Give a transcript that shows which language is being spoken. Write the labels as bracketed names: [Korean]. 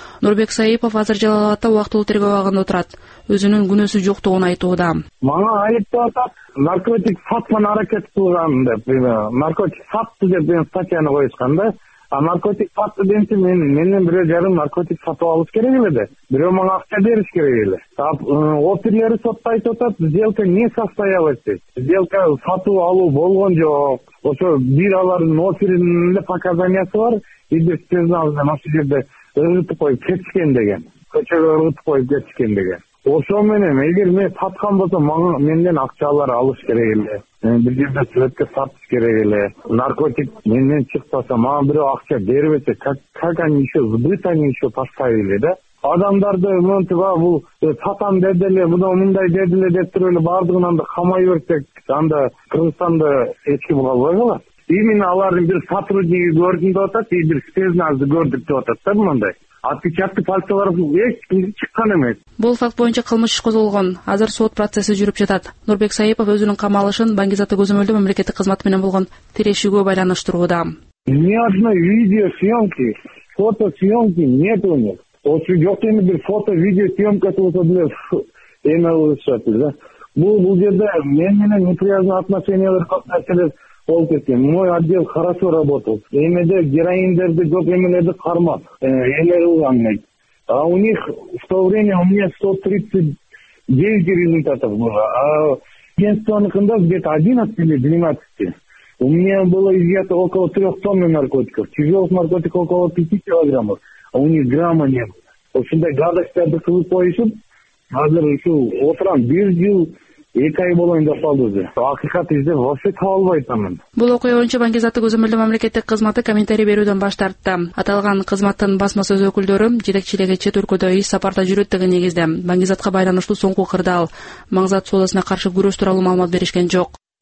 [Kyrgyz] Нурбек Саипов азыр Жалал Абадда убактылуу тергөө абагында отурат. Өзүнүн күнөөсү жоктугун айтууда. Мага айыптап атат, наркотик сатманы аракет кылган деп. Наркотик сатты деп мен статьяны коюшкан да. А наркотик сатты дейсе, менен бирөө жарым наркотик сатып алыш керек эле да. Бирөө мага акча бериш керек эле. Офицерлери сотто айтып атат, [Russian] сделка не состоялась [Kyrgyz] дейт. Сделка сатып алуу болгон жок. Ошо бир алардын офицеринин эле показаниясы бар, идентификациясы ошо жерде ыргытып коюп кетишкен деген. Көчөгө ыргытып коюп кетишкен деген. Ошо менен эгер мен саткан болсом, мага менден акчалар алыш керек эле. Бир жерде сүрөткө сатыш керек эле. Наркотик менден чыкпаса, мага бирөө акча бербесе, [Russian] как они еще сбыт они еще поставили, да? [Kyrgyz] Адамдарды мынтип бул сатам деди эле, мына мындай деди эле деп туруп эле бардыгын анда камай берсек, анда Кыргызстанда эч ким калбай калат. Именно алардын бир сотрудниги көрдүм деп атат, и бир спецназды көрдүк деп атат да мындай. Отпечатки пальцевар эч кимди чыккан эмес. Бул факт боюнча кылмыш иш козголгон. Азыр сот процесси жүрүп жатат. Нурбек Саипов өзүнүн камалышын баңгизаттык көзөмөлдөө мамлекеттик кызмат менен болгон тирешүүгө байланыштырууда. [Russian] Ни одной видео съемки, фото съемки нет у них. [Kyrgyz] Ошо жок эми бир фото видео съемкасы болсо деле эме алышат эле да. Бул жерде мен менен неприязные отношениялар көп нерселер болуп кеткен. [Russian] Мой отдел хорошо работал. [Kyrgyz] Эмеде героиндерди көп эмелерди кармап эле кылган эмес. [Russian] А у них в то время у меня 139 результатов было. А агентствоныкында где-то 11 или 12. У меня было изъято около 3 тонны наркотиков. Тяжелых наркотиков около 5 килограммов. А у них грамма не было. [Kyrgyz] Ошондой гадостьтерди кылып коюшуп, азыр ушул отурам 1 жыл, 2 ай болоюн деп калды уже. Акыйкат издеп вообще таба албайт анан. Бул окуя боюнча баңгизаттык көзөмөлдөө мамлекеттик кызматы комментарий берүүдөн баш тартты. Аталган кызматтын басма сөз өкүлдөрү жетекчилиги чет өлкөдө иш сапарда жүрөттүгүн негизде баңгизатка байланыштуу соңку кырдаал маңзат соодасына каршы күрөш тууралуу маалымат беришкен жок.